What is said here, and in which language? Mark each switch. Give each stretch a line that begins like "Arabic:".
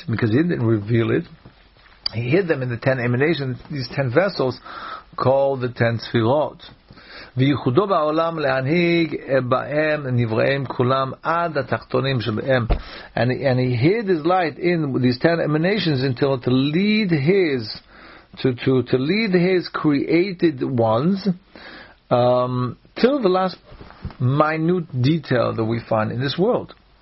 English: Because he didn't reveal it, he hid them in the 10 emanations, these 10 vessels called the 10 sefirot.
Hebrew: וייחודו בעולם להנהיג בהם נבראים כולם עד התחתונים שבהם.
English: And he hid his light in these 10 emanations until to lead his to lead his created ones till the last minute detail that we find in this world.